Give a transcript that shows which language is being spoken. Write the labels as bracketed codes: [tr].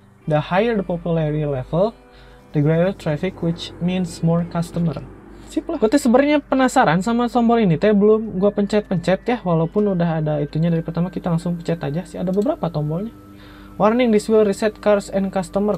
[en] The higher the popularity level, the greater traffic, which means more customer. [id] Sip lah. Gue tuh sebenarnya penasaran sama tombol ini. Teh belum gue pencet-pencet ya. Walaupun udah ada itunya dari pertama, kita langsung pencet aja sih. Ada beberapa tombolnya. [en] Warning, this will reset cars and customer.